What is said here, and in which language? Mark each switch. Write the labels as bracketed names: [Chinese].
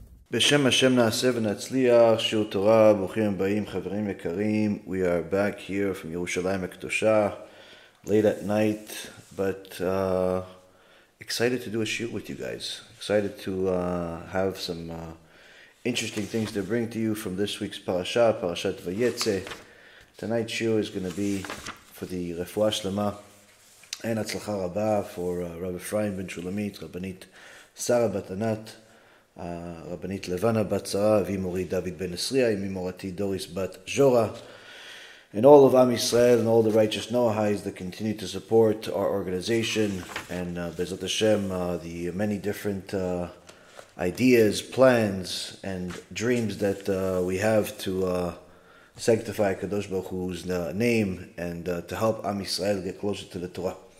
[Hebrew] בשם השם נעשה ונצליח, שיעור תורה, ברוכים הבאים, חברים יקרים. [English] We are back here from Yerushalayim הקדושה, late at night, but excited to do a shiur with you guys. Excited to have some interesting things to bring to you from this week's parasha, parashat VAYEITZEI. Tonight's shiur is going to be for the refuah shlema, and hatzlacha rabba for Rabbi Ephraim ben Shulamit, Rabbanit Sara bat Anat, רבנית לבנה בת שרה, אבי מורי דוד בן עשריה, אמי מורתי דוריס בת ז'ורה. And all of Am Yisrael and all the righteous Noahites that continue to support our organization and Bezot Hashem, the many different ideas, plans and dreams that we have to sanctify Kadosh Baruch Hu's name and to help Am Yisrael get closer to the Torah.